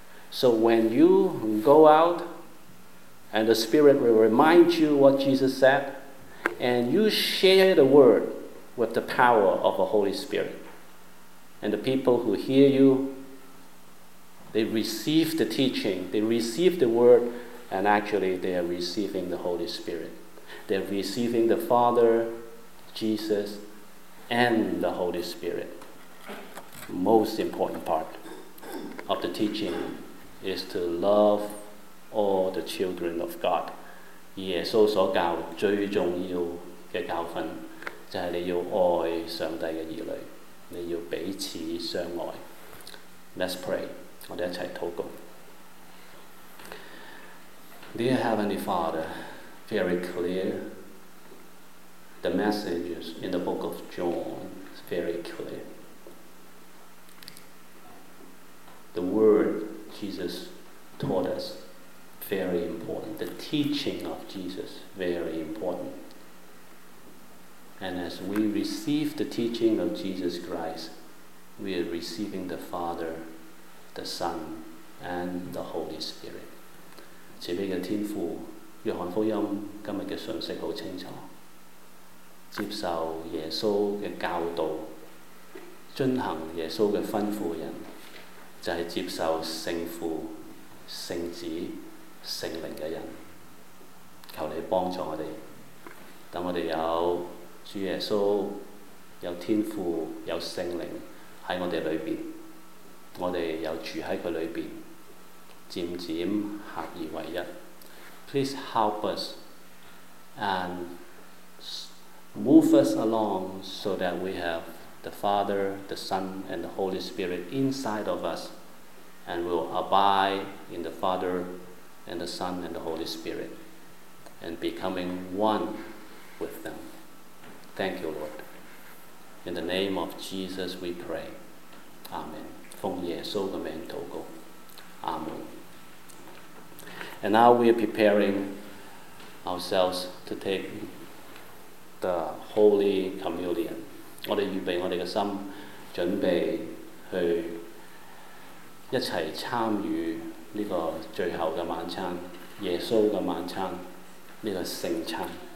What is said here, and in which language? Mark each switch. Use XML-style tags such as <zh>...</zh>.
<en>So when you go out and the Spirit will remind you what Jesus said, and you share the word with the power of the Holy Spirit, and the people who hear you, they receive the teaching, they receive the word, and actually they are receiving the Holy Spirit. They're receiving the Father, Jesus, and the Holy Spirit. Most important part of the teaching is to love all the children of God.</en> <zh>耶稣所教最重要的教训就是你要爱上帝的儿女，你要彼此相爱。</zh> <en>Let's pray.</en> <zh>我们一起祷告。</zh> <en>Dear Heavenly Father, very clear. The message in the book of John is very clear. The word Jesus taught us, very important. The teaching of Jesus, very important. And as we receive the teaching of Jesus Christ, we are receiving the Father, the Son, and the Holy Spirit.</en> <zh>慈悲的天父，约翰福音今天的信息很清楚，接受耶稣的教导，遵行耶稣的吩咐的人，就是接受圣父、圣子、圣灵的人。求你帮助我们，让我们有主耶稣、有天父、有圣灵在我们里面，我们又住在他里面，漸漸合而為一。</zh> <en>Please help us and move us along so that we have the Father, the Son, and the Holy Spirit inside of us, and will abide in the Father and the Son and the Holy Spirit and becoming one with them. Thank you, Lord. In the name of Jesus we pray. Amen.</en> <zh>奉耶稣的名祷告。Amen.</zh> <en>And now we are preparing ourselves to take the Holy Communion.</en> <zh>我们预备我们的心，准备去一起参与这个最后的晚餐，耶稣的晚餐，这个圣餐。</zh>